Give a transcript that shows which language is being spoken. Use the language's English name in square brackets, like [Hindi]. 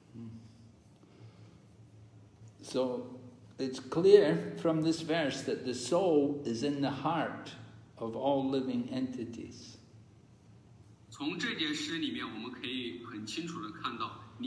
[Chinese] 一个冒犯的话，他们也会，就是这些威士奴都塔也会来惩罚他。 [English] So it's clear from this verse that the soul is in the heart of all living entities. [Chinese] 从这节诗里面，我们可以很清楚的看到，